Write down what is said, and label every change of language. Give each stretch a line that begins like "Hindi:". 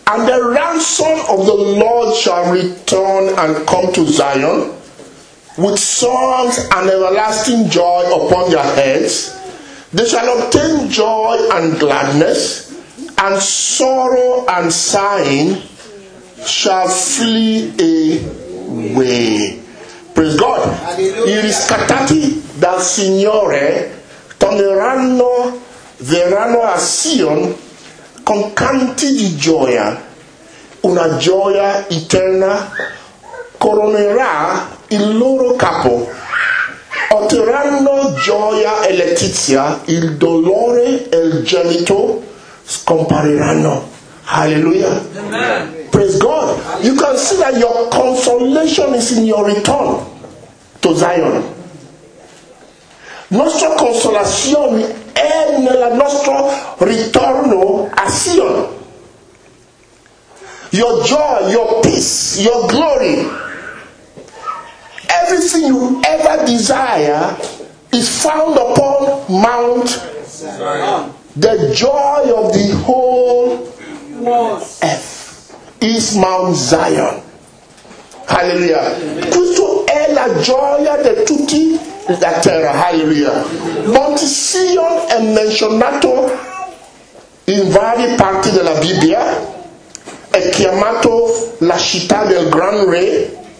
English: And the ransom of the Lord shall return and come to Zion with songs and everlasting joy upon their heads. They shall obtain joy and gladness, and sorrow and sighing shall flee away. Praise God.
Italian: Il riscattati dal Signore torneranno, verranno a Sion con canti di gioia, una gioia eterna coronerà il loro capo. Otterranno gioia e letizia, il dolore e il gemito scompariranno. Hallelujah. Amen. Praise God.
English: You can see that your consolation is in your return to Zion.
Italian: Nostra consolación è nel nostro ritorno a Sion.
English: Your joy, your peace, your glory, everything you ever desire is found upon Mount Zion. The joy of the whole earth is Mount Zion. Hallelujah.
Italian: Questo è la gioia di tutti la terra. Hallelujah. Monte Sion è menzionato in varie parti della Bibbia, è chiamato la città del Gran Re.